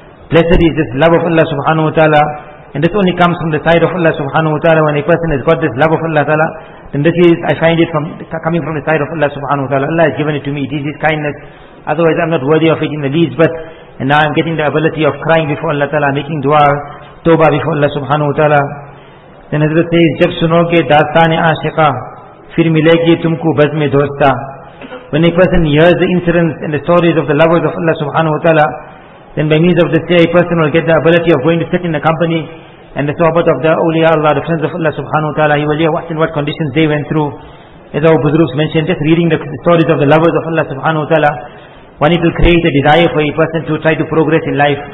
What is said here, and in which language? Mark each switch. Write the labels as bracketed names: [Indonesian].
[English] Blessed is this love of Allah subhanahu wa ta'ala. And this only comes from the side of Allah subhanahu wa ta'ala. When a person has got this love of Allah ta'ala, then this is, I find it from coming from the side of Allah subhanahu wa ta'ala. Allah has given it to me. It is his kindness. Otherwise, I'm not worthy of it in the least. But and now I'm getting the ability of crying before Allah Ta'ala, making dua, tawbah before Allah Subhanahu Wa Ta'ala. Then Hazrat says, [Urdu] جب سنو گے داستانِ عاشقہ پھر ملے گی تم کو بزمِ دوستہ. [English] When a person hears the incidents and the stories of the lovers of Allah Subhanahu Wa Ta'ala, then by means of this day, a person will get the ability of going to sit in the company and the sohbat of the awliya Allah, the friends of Allah Subhanahu Wa Ta'ala. He will hear what and what conditions they went through. As our Buzurgs mentioned, just reading the stories of the lovers of Allah Subhanahu Wa Ta'ala, one, it will create a desire for a person to try to progress in life.